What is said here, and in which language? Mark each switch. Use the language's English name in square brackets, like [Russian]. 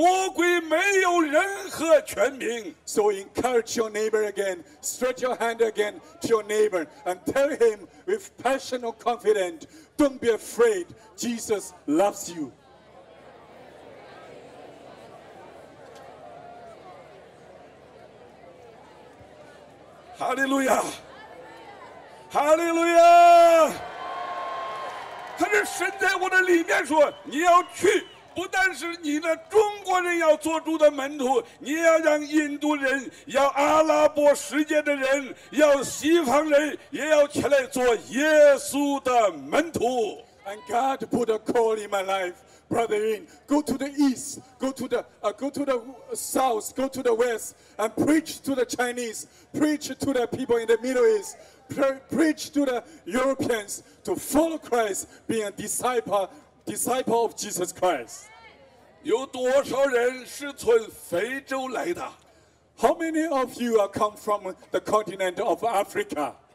[Chinese] 并且伸出你信心的时候对你左右的朋友说不要怕魔鬼没有任何权柄 [English] So encourage your neighbor again, stretch your hand again to your neighbor and tell him with passion or confidence, don't be afraid, Jesus loves you. [Chinese] 할렐루야 할렐루야 但是神在我的里面说你要去不但是你的中国人要做主的门徒你要让印度人要阿拉伯世界的人要起来做耶稣的门徒 [English] And God put a call in my life, brother in, go to the east, go to the south, go to the west, and preach to the Chinese, preach to the people in the Middle East, preach to the Europeans to follow Christ, being a disciple of Jesus Christ. [Chinese] 有多少人是从非洲来的? [English] How many of you are come from the continent of Africa?